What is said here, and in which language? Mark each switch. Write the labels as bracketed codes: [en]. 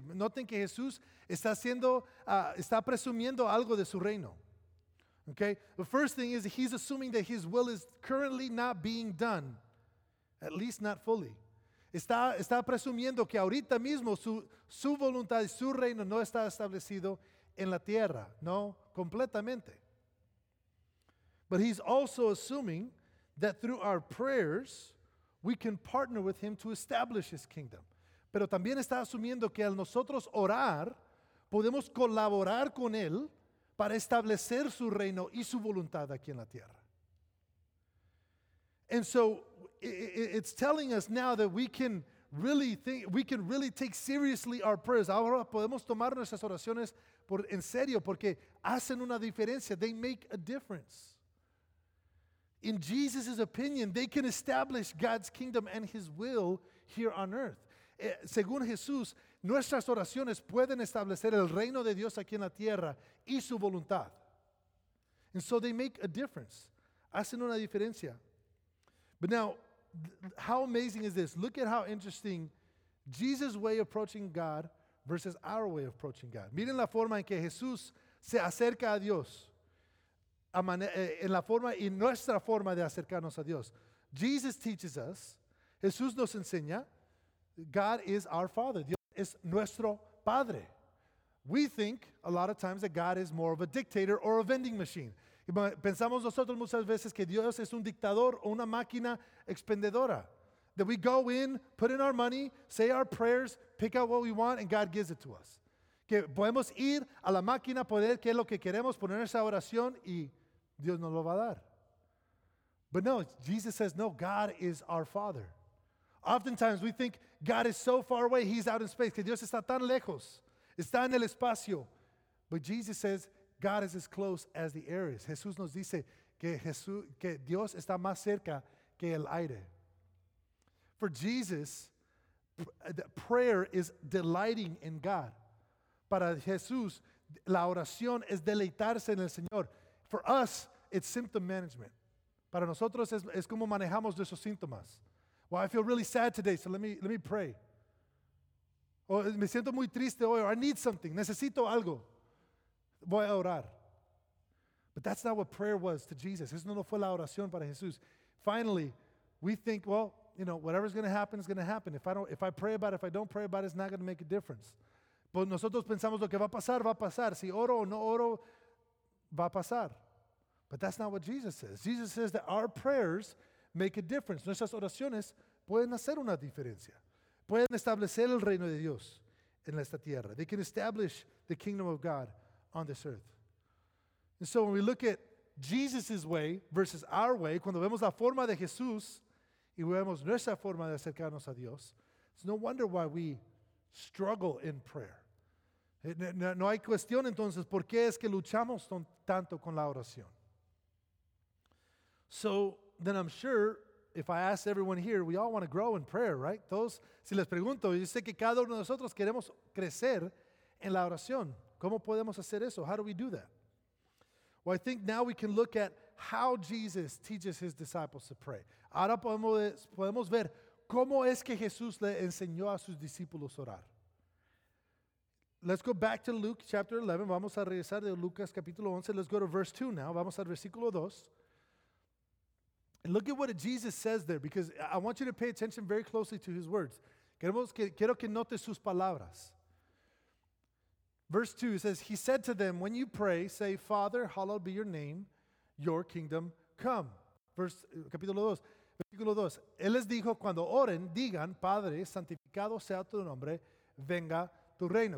[es] Noten que Jesús está haciendo, está presumiendo algo de su reino. [en] Okay? The first thing is that he's assuming that his will is currently not being done, at least not fully. [es] Está presumiendo que ahorita mismo su voluntad y su reino no está establecido en la tierra, no completamente. [en] But he's also assuming that through our prayers, we can partner with him to establish his kingdom. [es] Pero también está asumiendo que al nosotros orar, podemos colaborar con él para establecer su reino y su voluntad aquí en la tierra. [en] And so it's telling us now that we can really think, we can really take seriously our prayers. [es] Ahora podemos tomar nuestras oraciones en serio porque hacen una diferencia. [en] They make a difference. In Jesus' opinion, they can establish God's kingdom and His will here on earth. [es] Según Jesús, nuestras oraciones pueden establecer el reino de Dios aquí en la tierra y su voluntad. [en] And so they make a difference. [es] Hacen una diferencia. [en] But now, how amazing is this? Look at how interesting Jesus' way of approaching God versus our way of approaching God. [es] Miren la forma en que Jesús se acerca a Dios. Nuestra forma de acercarnos a Dios. [en] Jesus teaches us, [es] Jesús nos enseña, [en] God is our Father. [es] Dios es nuestro Padre. [en] We think a lot of times that God is more of a dictator or a vending machine. [es] Pensamos nosotros muchas veces que Dios es un dictador o una máquina expendedora. [en] That we go in, put in our money, say our prayers, pick out what we want, and God gives it to us. [es] Que podemos ir a la máquina, poner qué es lo que queremos, poner esa oración y Dios nos lo va a dar. [en] But no, Jesus says, no, God is our Father. Oftentimes we think God is so far away, He's out in space. [es] Que Dios está tan lejos, está en el espacio. [en] But Jesus says, God is as close as the air is. [es] Jesús nos dice que Dios está más cerca que el aire. [en] For Jesus, prayer is delighting in God. [es] Para Jesús, la oración es deleitarse en el Señor. [en] For us, it's symptom management. [es] Para nosotros es como manejamos nuestros síntomas. [en] Well, I feel really sad today, so let me pray. [es] O me siento muy triste hoy, [en] or I need something, [es] necesito algo. Voy a orar. [en] But that's not what prayer was to Jesus. [es] Eso no fue la oración para Jesús. [en] Finally, we think, well, you know, whatever's going to happen is going to happen. If I don't pray about it, it's not going to make a difference. [es] Pues nosotros pensamos lo que va a pasar, si oro o no oro, va a pasar. [en] But that's not what Jesus says. Jesus says that our prayers make a difference. [es] Nuestras oraciones pueden hacer una diferencia. Pueden establecer el reino de Dios en esta tierra. [en] They can establish the kingdom of God on this earth. And so when we look at Jesus' way versus our way, [es] cuando vemos la forma de Jesús y vemos nuestra forma de acercarnos a Dios, [en] it's no wonder why we struggle in prayer. [es] No hay cuestión entonces, ¿por qué es que luchamos tanto con la oración? [en] So then I'm sure if I ask everyone here, we all want to grow in prayer, right? [es] Todos, si les pregunto, yo sé que cada uno de nosotros queremos crecer en la oración. ¿Cómo podemos hacer eso? [en] How do we do that? Well, I think now we can look at how Jesus teaches his disciples to pray. [es] Ahora podemos ver cómo es que Jesús le enseñó a sus discípulos a orar. [en] Let's go back to Luke chapter 11. [es] Vamos a regresar de Lucas capítulo 11. [en] Let's go to verse 2 now. [es] Vamos al versículo 2. [en] And look at what Jesus says there, because I want you to pay attention very closely to his words. [es] Quiero que note sus palabras. [en] Verse 2 says, he said to them, when you pray, say, Father, hallowed be your name, your kingdom come. [es] Versículo 2. Él les dijo, cuando oren, digan, Padre, santificado sea tu nombre, venga tu reino.